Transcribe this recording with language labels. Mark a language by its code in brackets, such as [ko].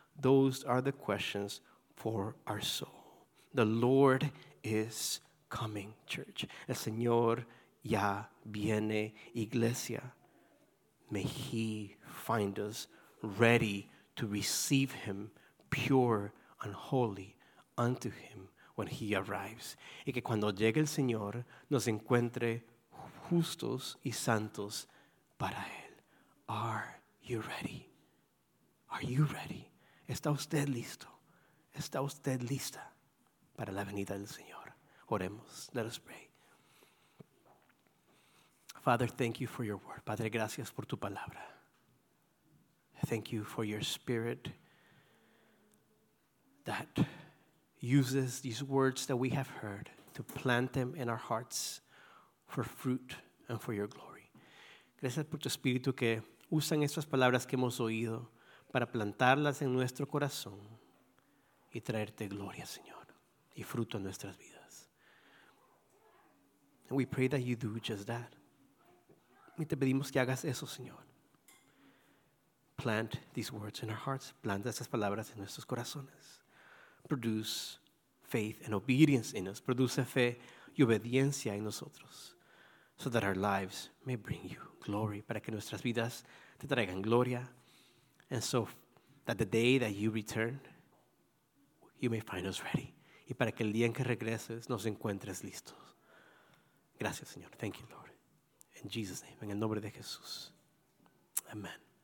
[en] Those are the questions for our soul. The Lord is coming, church. [es] El Señor ya viene, iglesia. [en] May he find us ready to receive him, pure and holy unto him when he arrives. [es] Y que cuando llegue el Señor, nos encuentre justos y santos para él. [en] Are you ready? Are you ready? [es] ¿Está usted listo? ¿Está usted lista para la venida del Señor? Oremos. [en] Let us pray. Father, thank you for your word. [es] Padre, gracias por tu palabra. [en] Thank you for your spirit that uses these words that we have heard to plant them in our hearts for fruit and for your glory. [es] Gracias por tu espíritu que usan estas palabras que hemos oído para plantarlas en nuestro corazón y traerte gloria, Señor, y fruto a nuestras vidas. [en] We pray that you do just that. [es] Y te pedimos que hagas eso, Señor. [en] Plant these words in our hearts. [es] Planta estas palabras en nuestros corazones. [en] Produce faith and obedience in us. [es] Produce fe y obediencia en nosotros. [en] So that our lives may bring you glory. [es] Para que nuestras vidas te traigan gloria. [en] And so that the day that you return, you may find us ready. [es] Y para que el día en que regreses nos encuentres listos. Gracias, Señor. [en] Thank you, Lord. In Jesus' name, [es] en el nombre de Jesús. Amen.